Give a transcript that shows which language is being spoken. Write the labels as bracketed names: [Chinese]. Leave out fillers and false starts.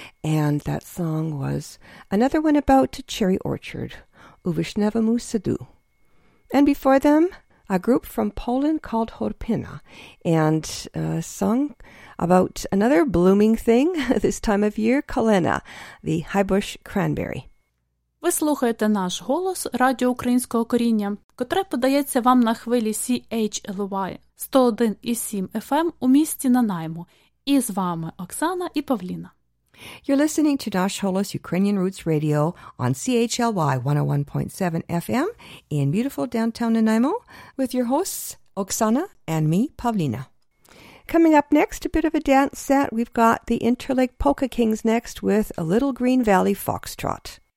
[English] And that song was another one about Cherry Orchard, Uvishnevamu Sadu. And before them, a group from Poland called Horpina, and a song about another blooming thing this time of year, Kalena, the highbush cranberry. [Ukrainian] Ви слухаєте наш голос Радіо Українського коріння, котре подається вам на хвилі CHLY 101.7 FM у місті Нанаймо. І з вами Оксана і Павліна. [English] You're listening to Nash Holos Ukrainian Roots Radio on CHLY 101.7 FM in beautiful downtown Nanaimo with your hosts Oksana and me, Pavlina. Coming up next, a bit of a dance set. We've got the Interlake Polka Kings next with a Little Green Valley Foxtrot.